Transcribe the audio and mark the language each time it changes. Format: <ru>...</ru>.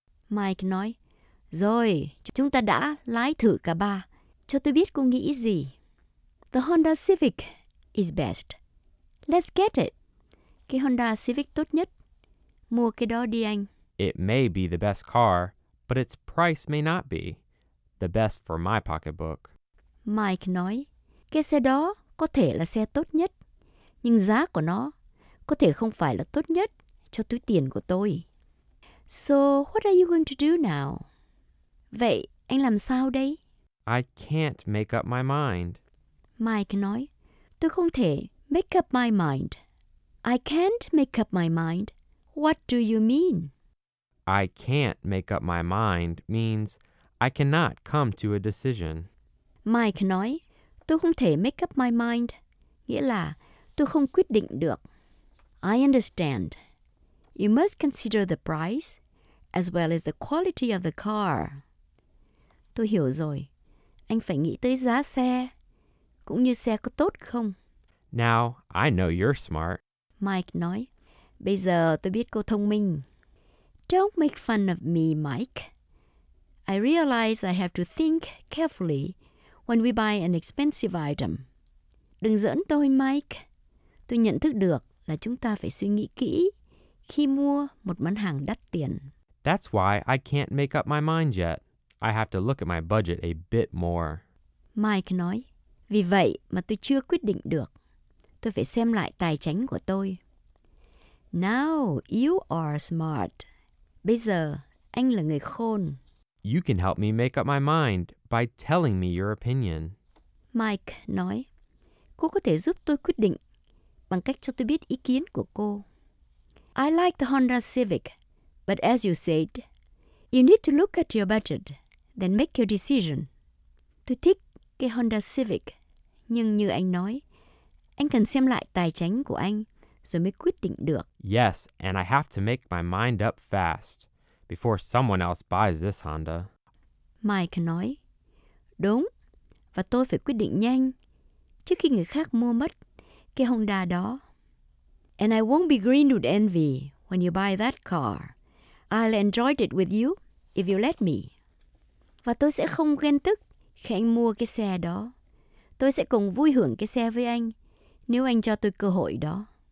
<vi>Mike nói, rồi, chúng ta đã lái thử cả ba. Cho tôi biết cô nghĩ gì.</vi> <en>The Honda Civic is best. Let's get it.</en> <vi>Cái Honda Civic tốt nhất. Mua cái đó đi anh.</vi> <en>It may be the best car, but its price may not be the best for my pocketbook.</en> <vi>Mike nói, cái xe đó có thể là xe tốt nhất. Nhưng giá của nó có thể không phải là tốt nhất cho túi tiền của tôi.</vi> <en>So, what are you going to do now?</en> <vi>Vậy, anh làm sao đây?</vi> <en>I can't make up my mind.</en> <vi>Mike nói, tôi không thể</vi> <en>make up my mind. I can't make up my mind. What do you mean? I can't make up my mind means I cannot come to a decision.</en> <vi>Mike nói, tôi không thể</vi> <en>make up my mind.</en> <vi>Nghĩa là, tôi không quyết định được.</vi> <en>I understand. You must consider the price as well as the quality of the car.</en> <vi>Tôi hiểu rồi. Anh phải nghĩ tới giá xe, cũng như xe có tốt không.</vi> <en>Now, I know you're smart.</en> <vi>Mike nói, bây giờ tôi biết cô thông minh.</vi> <en>Don't make fun of me, Mike. I realize I have to think carefully when we buy an expensive item.</en> <vi>Đừng giỡn tôi, Mike. Tôi nhận thức được là chúng ta phải suy nghĩ kỹ khi mua một món hàng đắt tiền.</vi> <en>That's why I can't make up my mind yet. I have to look at my budget a bit more.</en> <vi>Mike nói, vì vậy mà tôi chưa quyết định được. Tôi phải xem lại tài chính của tôi.</vi> <en>Now you are smart.</en> <vi>Bây giờ, anh là người khôn.</vi> <en>You can help me make up my mind by telling me your opinion.</en> <vi>Mike nói, cô có thể giúp tôi quyết định bằng cách cho tôi biết ý kiến của cô.</vi> <en>I like the Honda Civic, But as you said, you need to look at your budget, then make your decision.</en> <vi>Tôi thích cái Honda Civic, nhưng như anh nói, anh cần xem lại tài chính của anh rồi mới quyết định được.</vi> <en>Yes, and I have to make my mind up fast before someone else buys this Honda.</en> <vi>Mike nói, đúng, và tôi phải quyết định nhanh trước khi người khác mua mất cái Honda đó.</vi> <en>And I won't be green with envy when you buy that car. I'll enjoy it with you if you let me.</en> <vi>Và tôi sẽ không ghen tức khi anh mua cái xe đó. Tôi sẽ cùng vui hưởng cái xe với anh nếu anh cho tôi cơ hội đó.</vi>